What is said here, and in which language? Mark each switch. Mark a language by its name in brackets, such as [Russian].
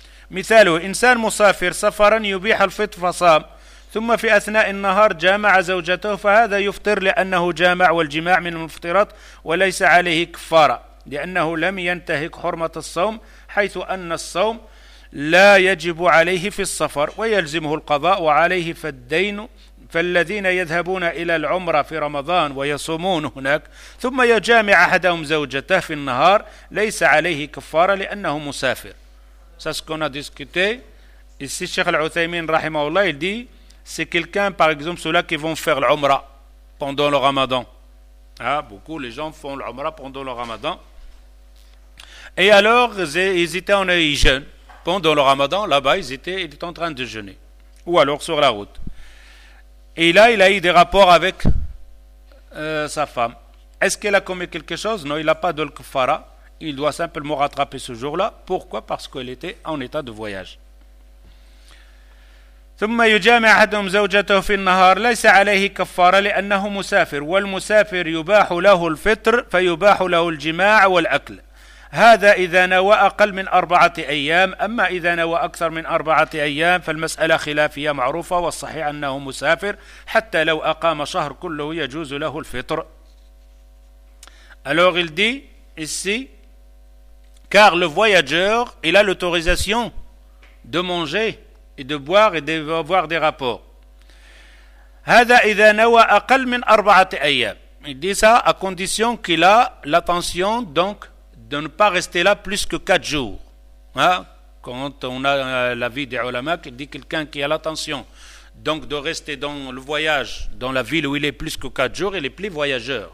[Arabic] مثاله إنسان مسافر سفرا يبيح الفطر فصام ثم في أثناء النهار جامع زوجته فهذا يفطر لأنه جامع والجماع من المفطرات وليس عليه كفارة لأنه لم ينتهك حرمة الصوم حيث أن الصوم لا يجب عليه في السفر ويلزمه القضاء وعليه فالدين. فالذين يذهبون إلى العمرة في رمضان ويصومون هناك ثم يجامع أحدهم زوجته في النهار ليس عليه كفارة لأنه مسافر. [French] C'est ce qu'on a discuté. Ici, Cheikh Al-Uthaymin, rahimahullah, il dit, c'est quelqu'un, par exemple, ceux-là qui vont faire l'Umra pendant le Ramadan. Ah, beaucoup, les gens font l'Umra pendant le Ramadan. Et alors, ils jeûnent. Pendant le ramadan, là-bas, ils étaient en train de jeûner. Ou alors sur la route. Et là, il a eu des rapports avec sa femme. Est-ce qu'elle a commis quelque chose? Non, il n'a pas de kfara. Il doit simplement rattraper ce jour-là. Pourquoi? Parce qu'elle était en état de voyage. [Arabic] ثم يجامع أحدهم زوجته في النهار ليس عليه كفارة لأنه مسافر والمسافر يباح له الفطر فيباح له الجماع والأكل. هذا إذا نوى أقل من أربعة أيام. أما إذا نوى أكثر من أربعة أيام فالمسألة خلافية معروفة والصحيح أنه مسافر حتى لو أقام شهر كله يجوز له الفطر. [French] Alors il dit ici, car le voyageur il a l'autorisation de manger et de boire et d'avoir des rapports. [Arabic] هذا إذا نوى أقل من أربعة أيام. [French] Il dit ça à condition qu'il a l'attention donc de ne pas rester là plus que 4 jours. Hein? Quand on a l'avis des ulama, qui dit quelqu'un qui a l'intention donc de rester dans le voyage, dans la ville où il est plus que 4 jours, il n'est plus voyageur.